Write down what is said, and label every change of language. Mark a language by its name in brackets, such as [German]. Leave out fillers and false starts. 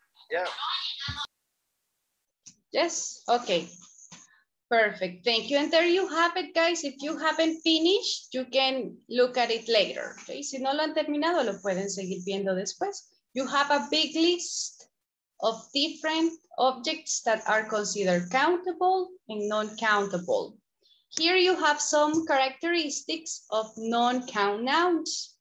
[English] Yeah. Yes, okay. Perfect, thank you. And there you have it, guys. If you haven't finished, you can look at it later. Okay? [Spanish] Si no lo han terminado, lo pueden seguir viendo después. [English] You have a big list of different objects that are considered countable and non-countable. Here you have some characteristics of non-count nouns.